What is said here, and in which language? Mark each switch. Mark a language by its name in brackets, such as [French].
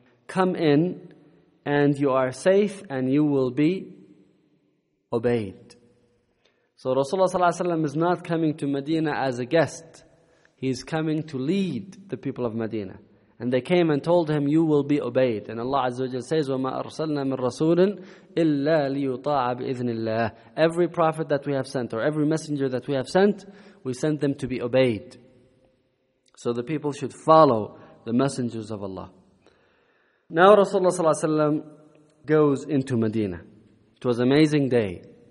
[English] Come in and you are safe and you will be obeyed. So Rasulullah sallallahu alaihi wasallam is not coming to Medina as a guest. He's coming to lead the people of Medina. And they came and told him, "You will be obeyed." And Allah Azza wa Jalla says, [Arabic] "وَمَا أَرْسَلْنَا مِنْ رَسُولٍ إِلَّا لِيُطَاعَ بِإِذْنِ اللَّهِ." [English] Every prophet that we have sent, or every messenger that we have sent, we sent them to be obeyed. So the people should follow the messengers of Allah. Now Rasulullah sallallahu alaihi wasallam goes into Medina. It was an amazing day.